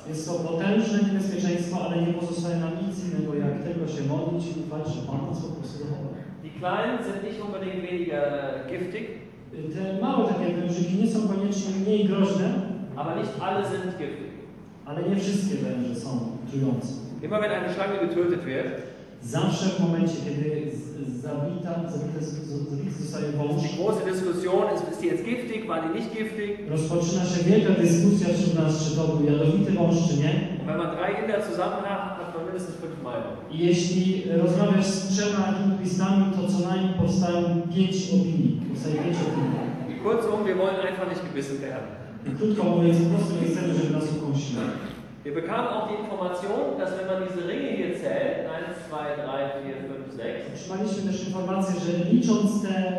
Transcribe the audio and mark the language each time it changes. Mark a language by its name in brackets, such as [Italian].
[Polish] Jest to potężne niebezpieczeństwo, ale nie pozostaje nam nic innego, jak tylko się modlić i ufać, że Pan nas po prostu zachowa. [German] Die Kleinen sind nicht unbedingt weniger giftig. [Polish] Te małe takie wężyki nie są koniecznie mniej groźne. [German] Aber nicht alle sind giftig. [Polish] Ale nie wszystkie węże są trujące. [German] Immer wenn eine Schlange getötet wird, [Polish] zawsze w momencie, kiedy zabita zostaje wąż. [German] Die große Diskussion ist die jetzt giftig, war die nicht giftig? [Polish] Rozpoczyna się wielka dyskusja wśród nas, czy to był jadowity wąż, czy nie. [German] Wenn man 3 Kinder zusammen hat, hat man mindestens 5 Meinungen. [Polish] I jeśli rozmawiasz z 3 lingwistami, to co najmniej powstają 5 opinii. [German] Kurzum, wir wollen einfach nicht gebissen werden. [Polish] I krótko mówiąc, po prostu nie chcemy, żeby nas ukąsili. [German] Wir bekamen auch die Information, dass wenn man diese Ringe hier zählt, 1, 2, 3, 4, 5, 6. [Polish] Otrzymaliśmy też informację, że licząc te